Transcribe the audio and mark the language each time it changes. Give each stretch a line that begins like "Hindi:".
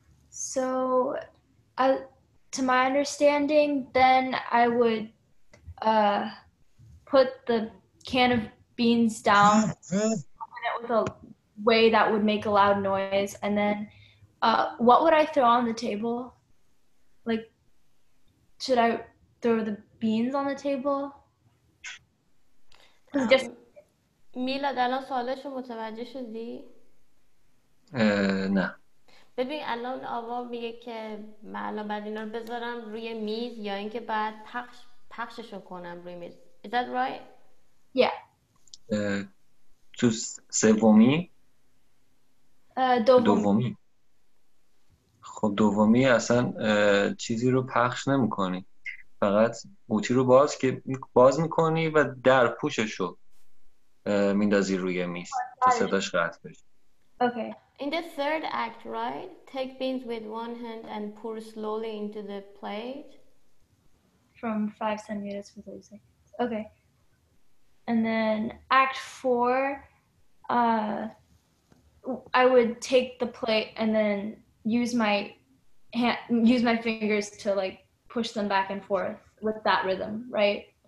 English: So to my understanding, then I would put the can of beans down with a way that would make a loud noise, and then what would I throw on the table? Like, should I throw the beans on the table?
Persian: میلا الان سوالش رو متوجه شدی؟ نه. ببین الان آوا میگه که من الان بعد اینا رو بذارم روی میز یا اینکه بعد پخش پخششو کنم روی میز.
English: Is that right? Yeah.
Persian: تو سومی؟ دومی. خب دومی اصلا چیزی رو پخش نمی کنی. فقط قوطی رو باز که باز میکنی و در پوشش رو میندازی روی میز تا صداش قطع بشه.
English: Okay. In the third act, right? Take beans with one hand and pour slowly into the plate. From 5 centimeters for 30 seconds. Okay. And then act four, I would take the plate and then use my fingers to like push them back and forth with that rhythm, right?